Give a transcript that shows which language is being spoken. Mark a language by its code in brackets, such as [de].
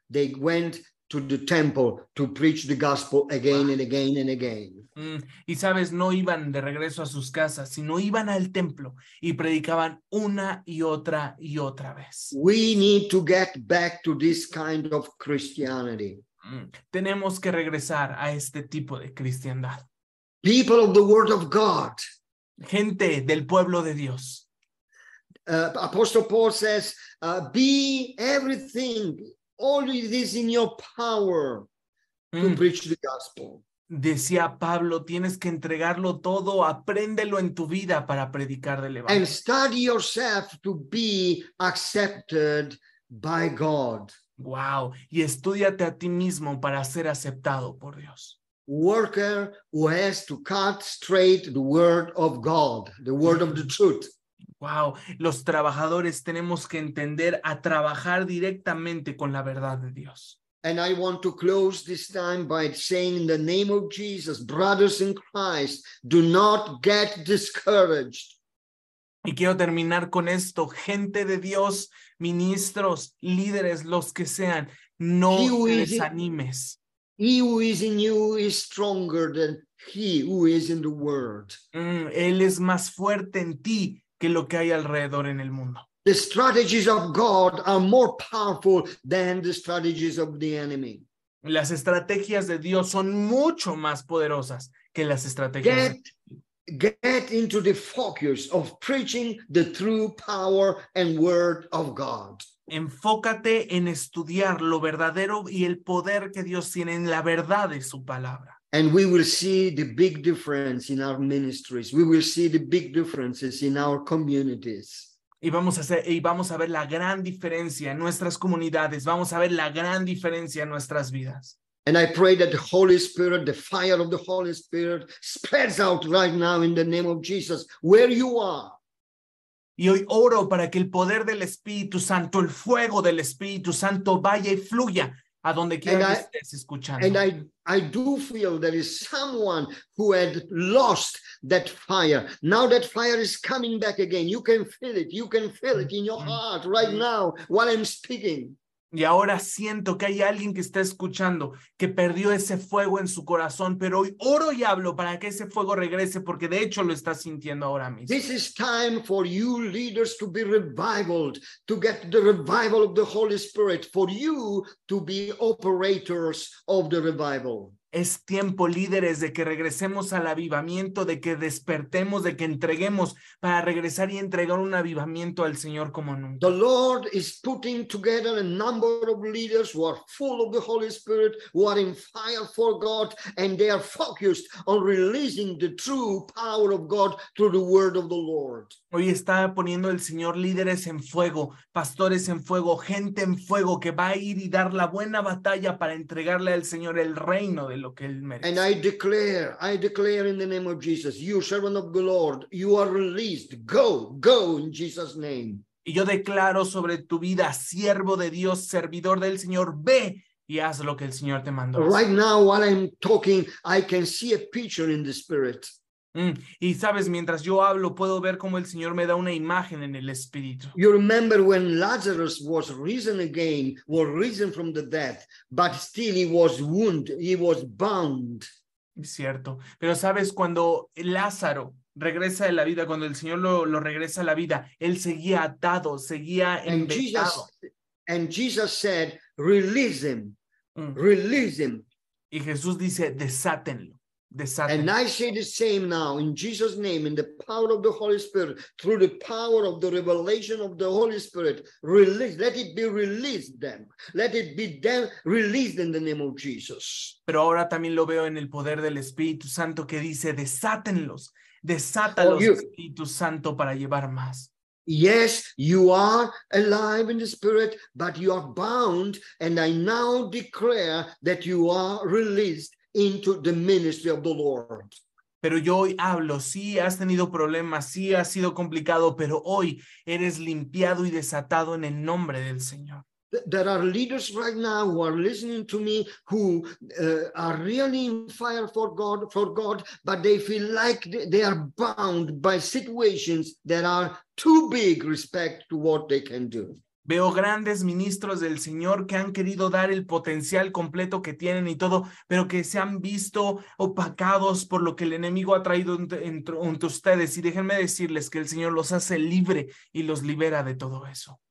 [en] They went to the temple to preach the gospel again and again and again. [es] Y sabes, no iban de regreso a sus casas, sino iban al templo y predicaban una y otra vez. [en] We need to get back to this kind of Christianity. [es] Tenemos que regresar a este tipo de cristiandad. [en] People of the Word of God. [es] Gente del pueblo de Dios. [en] Apostle Paul says, be everything. All it is in your power to preach the gospel. [es] Decía Pablo, tienes que entregarlo todo, apréndelo en tu vida para predicar del evangelio. [en] And study yourself to be accepted by God. [es] Wow, y estúdiate a ti mismo para ser aceptado por Dios. [en] Worker who has to cut straight the word of God, the word of the truth. [es] Wow, los trabajadores tenemos que entender a trabajar directamente con la verdad de Dios. [en] And I want to close this time by saying in the name of Jesus, brothers in Christ, do not get discouraged. [es] Y quiero terminar con esto, gente de Dios, ministros, líderes, los que sean, no desanimes. [en] He who is in you is stronger than he who is in the world. [es] Él es más fuerte en ti que lo que hay alrededor en el mundo. [en] The strategies of God are more powerful than the strategies of the enemy. [es] Las estrategias de Dios son mucho más poderosas que las estrategias [en] Get into the focus of preaching the true power and word of God. [es] Enfócate en estudiar lo verdadero y el poder que Dios tiene en la verdad de su palabra. [en] And we will see the big difference in our ministries. We will see the big differences in our communities. [es] Y vamos a ver la gran diferencia en nuestras comunidades. Vamos a ver la gran diferencia en nuestras vidas. [en] And I pray that the Holy Spirit, the fire of the Holy Spirit, spreads out right now in the name of Jesus, where you are. [es] Y hoy oro para que el poder del Espíritu Santo, el fuego del Espíritu Santo, vaya y fluya a donde quiera que estés escuchando. [en] And I do feel there is someone who had lost that fire. Now that fire is coming back again. You can feel it. You can feel it in your heart right now while I'm speaking. [es] Y ahora siento que hay alguien que está escuchando que perdió ese fuego en su corazón, pero hoy oro y hablo para que ese fuego regrese, porque de hecho lo está sintiendo ahora mismo. [en] This is time for you leaders to be revived, to get the revival of the Holy Spirit, for you to be operators of the revival. [es] Es tiempo, líderes, de que regresemos al avivamiento, de que despertemos, de que entreguemos para regresar y entregar un avivamiento al Señor como nunca. [en] The Lord is putting together a number of leaders who are full of the Holy Spirit, who are in fire for God, and they are focused on releasing the true power of God through the word of the Lord. [es] Hoy está poniendo el Señor líderes en fuego, pastores en fuego, gente en fuego que va a ir y dar la buena batalla para entregarle al Señor el reino de lo que él merece. [en] And I declare in the name of Jesus, you servant of the Lord, you are released. Go in Jesus' name. [es] Y yo declaro sobre tu vida, siervo de Dios, servidor del Señor, ve y haz lo que el Señor te mandó. [en] Right now, while I'm talking, I can see a picture in the spirit. [es] Y sabes, mientras yo hablo, puedo ver cómo el Señor me da una imagen en el Espíritu. [en] You remember when Lazarus was risen again, was risen from the dead, but still he was wounded, he was bound. [es] Cierto. Pero sabes, cuando Lázaro regresa de la vida, cuando el Señor lo regresa a la vida, él seguía atado, seguía enlazado. [en] And Jesus said, release him, release him. [es] Y Jesús dice, desátenlo. [en] And I say the same now in Jesus' name, in the power of the Holy Spirit, through the power of the revelation of the Holy Spirit, release, let it be released them. Let it be them released in the name of Jesus. [es] Pero ahora también lo veo en el poder del Espíritu Santo que dice, desátenlos, desátalos, Espíritu Santo, para llevar más. [en] Yes, you are alive in the spirit, but you are bound, and I now declare that you are released into the ministry of the Lord. [es] Pero yo hoy hablo, sí has tenido problemas, sí ha sido complicado, pero hoy eres limpiado y desatado en el nombre del Señor. [en] There are leaders right now who are listening to me who are really in fire for God, but they feel like they are bound by situations that are too big respect to what they can do. [es] Veo grandes ministros del Señor que han querido dar el potencial completo que tienen y todo, pero que se han visto opacados por lo que el enemigo ha traído entre ustedes. Y déjenme decirles que el Señor los hace libre y los libera de todo eso.